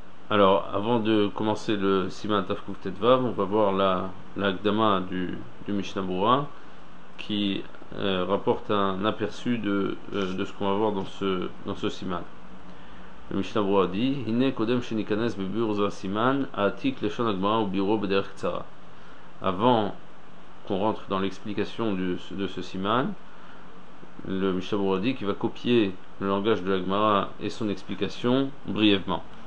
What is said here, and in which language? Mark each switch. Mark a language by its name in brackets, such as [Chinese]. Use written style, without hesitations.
[French] Alors, avant de commencer le Siman Tafkouf Tetvav, on va voir la Agdama du Mishnah Boura qui rapporte un aperçu de ce qu'on va voir dans ce Siman. [Hebrew] במשנה ברורה די, הנה קודם שניכנס בביאור זה הסימן, העתיק לשון הגמרא וביאורו בדרך קצרה. [French] Avant qu'on rentre dans l'explication de ce siman, le Mishnah Berurah dit qu'il va copier le langage de la Gemara et son explication brièvement.